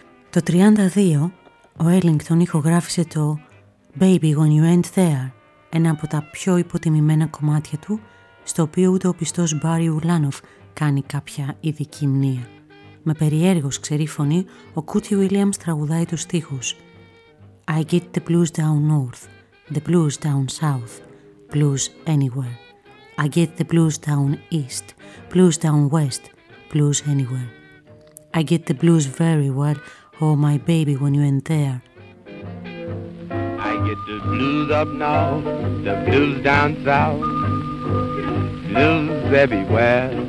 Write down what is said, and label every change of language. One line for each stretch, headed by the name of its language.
Greek: Το 32, ο Έλλιγκτον ηχογράφησε το «Baby, when you ain't there», ένα από τα πιο υποτιμημένα κομμάτια του, στο οποίο ούτε ο πιστός Μπάρι Ουλάνοφ κάνει κάποια ειδική μνήα. Με περιέργως ξερή φωνή, ο Κούτι Ουίλιαμς τραγουδάει τους στίχους
English: «I get the blues down north, the blues down south, blues anywhere. I get the blues down east, blues down west, blues anywhere. I get the blues very well, oh, my baby, when you ain't there. I get the blues up north, the blues down south, blues everywhere.